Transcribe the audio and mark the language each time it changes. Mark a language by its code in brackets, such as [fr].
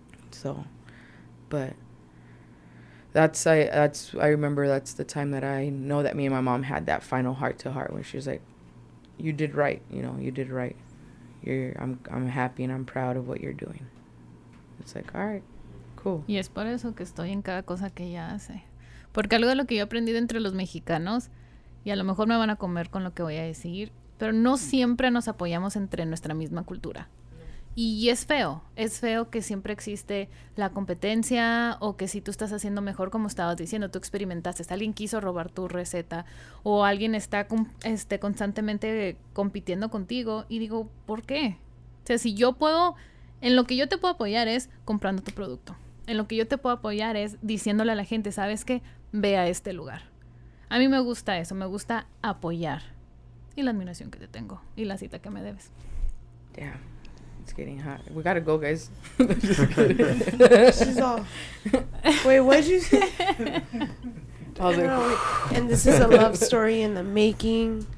[en] So, but I remember that's the time that I know that me and my mom had that final heart to heart, where she was like, you did right. You know, you did right. I'm happy and I'm proud of what you're doing. It's like, all right. Cool. [es] Y es por eso que estoy en cada cosa que ella hace. Porque algo de lo que yo he aprendido entre los mexicanos, y a lo mejor me van a comer con lo que voy a decir, pero no siempre nos apoyamos entre nuestra misma cultura. Y es feo. Es feo que siempre existe la competencia, o que si tú estás haciendo mejor, como estabas diciendo, tú experimentaste, alguien quiso robar tu receta, o alguien está constantemente compitiendo contigo. Y digo, ¿por qué? O sea, si yo puedo... En lo que yo te puedo apoyar es comprando tu producto. En lo que yo te puedo apoyar es diciéndole a la gente, ¿sabes qué? Ve a este lugar. A mí me gusta eso, me gusta apoyar. Y la admiración que te tengo, y la cita que me debes. [en] Yeah, it's getting hot. We gotta go, guys. She's off. Wait, what did you say? I was like, and this is a love story in the making.